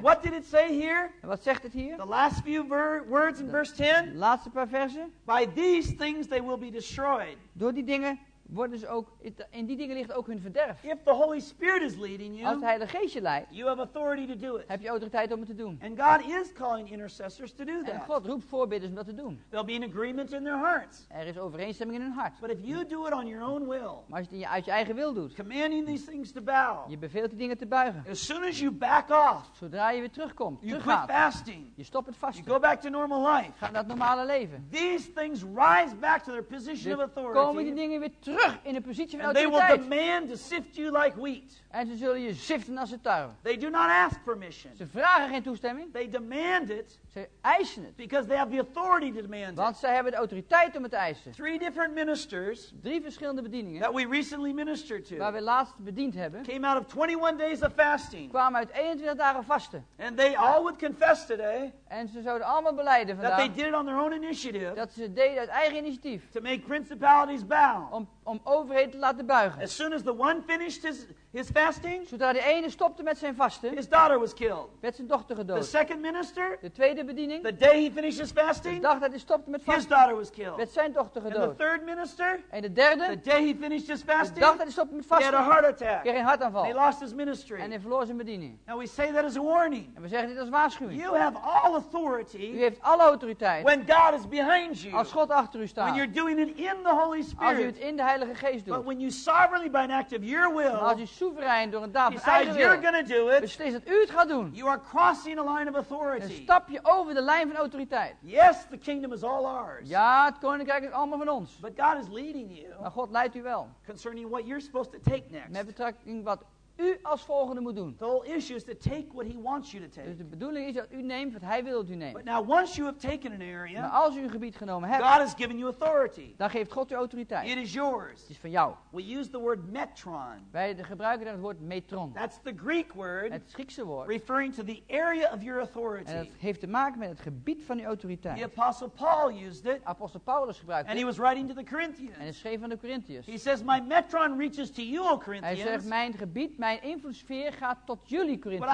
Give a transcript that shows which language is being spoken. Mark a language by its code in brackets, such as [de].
[en] What did it say here? [nl] En wat zegt het hier? [en] The last few words in verse 10. [nl] De laatste paar versen. [en] By these things they will be destroyed. [nl] Door die dingen worden ze ook, in die dingen ligt ook hun verderf. [en] If the Holy Spirit is leading you, [nl] als de Heilige Geest je leidt, [en] you have authority to do it. [nl] Heb je autoriteit om het te doen. [en] And God is calling intercessors to do that. [nl] En God roept voorbidders om dat te doen. [en] There'll be an agreement in their hearts. [nl] Er is overeenstemming in hun hart. [en] But if you do it on your own will, [nl] maar als je het uit je eigen wil doet, [en] commanding these things to bow, [nl] je beveelt die dingen te buigen. [en] As soon as you back off, [nl] zodra je weer terugkomt, [en] you quit fasting, [nl] je stopt het vasten, [en] you go back to normal life, [nl] ga naar het normale leven. [en] These things rise back to their position of authority. [nl] Komen die dingen weer terug. In een positie van autoriteit. [en] And they will demand to sift you like wheat. [nl] En ze zullen je ziften als een tarwe. [en] They do not ask permission. [nl] Ze vragen geen toestemming. [en] They demand it. [nl] Ze eisen het. [en] Because they have the authority to demand it. [nl] Want zij hebben de autoriteit om het te eisen. [en] Three different ministers. [nl] Drie verschillende bedieningen. [en] That we recently ministered to. [nl] Waar we laatst bediend hebben. [en] Came out of 21 days of fasting. [nl] Kwamen uit 21 dagen vasten. [en] And they all would confess today. [nl] En ze zouden allemaal belijden vandaag. [en] That they did it on their own initiative. [nl] Dat ze het deden uit eigen initiatief. [en] To make principalities bow. [nl] Om overheid te laten buigen. [en] As soon as the one finished his fasting, [nl] zodra de ene stopte met zijn vasten, [en] his daughter was killed. [nl] Werd zijn dochter gedood. [en] The second minister, [nl] de tweede bediening, [en] the day he finished his fasting, [nl] de dag dat hij stopte met vasten, [en] his daughter was killed. [nl] Werd zijn dochter gedood. [en] And the third minister, [nl] en de derde, [en] the day he finished his fasting, [nl] de dag dat hij stopte met vasten, [en] he had a heart attack. [nl] Kreeg een hartaanval. [en] He lost his ministry. [nl] En hij verloor zijn bediening. [en] Now we say that as a warning. [nl] En we zeggen dit als waarschuwing. [en] You have all authority. [nl] U heeft alle autoriteit. [en] When God is behind you. [nl] Als God achter u staat. [en] When you're doing it in the Holy Spirit. [nl] Als u het in de Heilige Heilige Geest doet. [en] But when you sovereignly by an act of your will, [nl] maar als u soeverein door een daad van eigen wil, [en] you're gonna do it, [nl] beslist dat u het gaat doen, [en] you are crossing a line of authority. [nl] Dan stap je over de lijn van autoriteit. [en] Yes, the kingdom is all ours. [nl] Ja, het koninkrijk is allemaal van ons. [en] But God is leading you, [nl] maar God leidt u wel. [en] Concerning what you're supposed to take next. [nl] Met betrekking wat u als volgende moet doen. [en] The whole issue is to take what he wants you to take. [nl] Dus de bedoeling is dat u neemt wat hij wil dat u neemt. [en] But now once you have taken an area, [nl] maar als u een gebied genomen hebt, [en] God has given you authority. [nl] Dan geeft God u autoriteit. [en] It is yours. [nl] Het is van jou. [en] We use the word metron. [nl] Wij gebruiken dan het woord metron. [en] That's the Greek word. [nl] Het Griekse woord. [en] Referring to the area of your authority. [nl] En dat heeft te maken met het gebied van uw autoriteit. [en] The apostle Paul used it. [nl] Apostel Paulus gebruikte het. [en] And he was writing to the Corinthians. [nl] En hij schreef aan de Corinthiërs. [en] He says my metron reaches to you, O Corinthians. [nl] Hij zegt mijn gebied, mijn invloedssfeer gaat tot jullie, Corinthiërs.